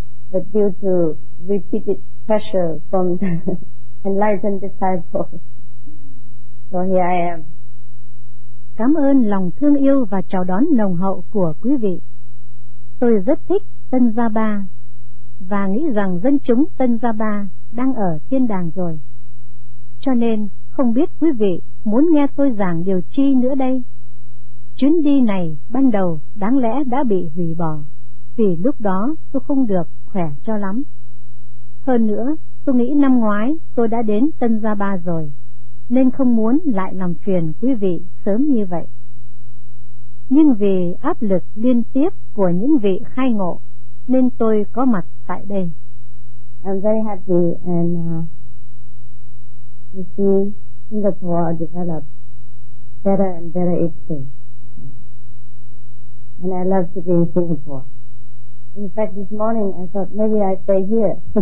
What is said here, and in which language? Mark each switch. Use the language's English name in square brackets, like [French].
[English] But due to repeated pressure from the enlightened disciples, so here I am. [Vietnamese] Cảm ơn lòng thương yêu và chào đón nồng hậu của quý vị. Tôi rất thích Tân Gia Ba và nghĩ rằng dân chúng Tân Gia Ba đang ở thiên đàng rồi. Cho nên không biết quý vị muốn nghe tôi giảng điều chi nữa đây. Chuyến đi này ban đầu đáng lẽ đã bị hủy bỏ vì lúc đó tôi không được khỏe cho lắm. Hơn nữa, tôi nghĩ năm ngoái tôi đã đến Tân Gia Ba rồi, nên không muốn lại làm phiền quý vị sớm như vậy. Nhưng vì áp lực liên tiếp của những vị khai ngộ nên tôi có mặt tại đây. [English] I'm very happy and to see Singapore develop better and better each day. And I love to be in Singapore. In fact, this morning I thought maybe I'd stay here.